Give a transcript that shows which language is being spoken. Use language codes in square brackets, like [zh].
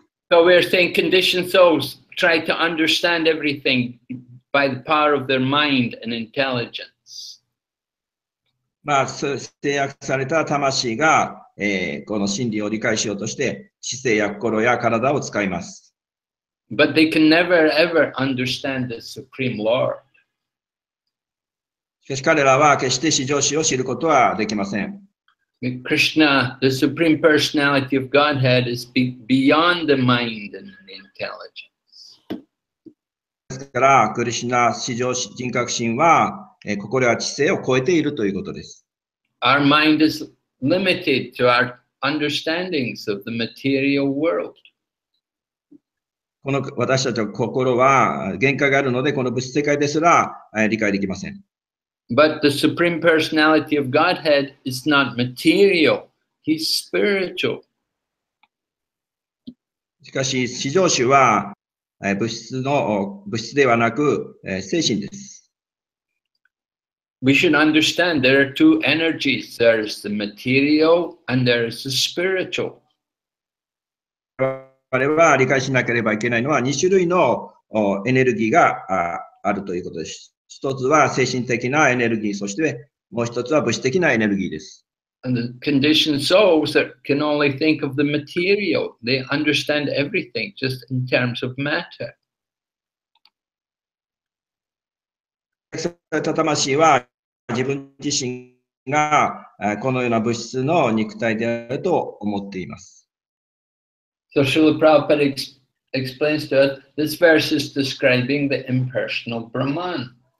[en] So we're saying conditioned souls try to understand everything by the power of their mind and intelligence. [ja] まあ、制約された魂が、この真理を理解しようとして、知性や心や体を使います。 [en] But they can never ever understand the Supreme Lord. [ja] しかし彼らは決して至上主を知ることはできません。 [en] Krishna, the Supreme Personality of Godhead, is beyond the mind and the intelligence. [ja] ですから、クリシュナ、至上人格神は、心や知性を超えているということです。 [en] Our mind is limited to our understandings of the material world. [ja] この私たちの心は限界があるので、この物質世界ですら、理解できません。 [en] But the Supreme Personality of Godhead is not material, he's spiritual. [ja] しかし、至上主は物質ではなく、精神です。 [en] We should understand there are two energies. There is the material and there is the spiritual. [ja] 我々は理解しなければいけないのは2種類のエネルギーがあるということです。一つは精神的なエネルギー、そしてもう一つは物質的なエネルギーです。 [en] And the conditioned souls that can only think of the material, they understand everything just in terms of matter. [ja] 魂は自分自身がこのような物質の肉体であると思っています。 [en] So Srila Prabhupada explains to us, this verse is describing the impersonal Brahman.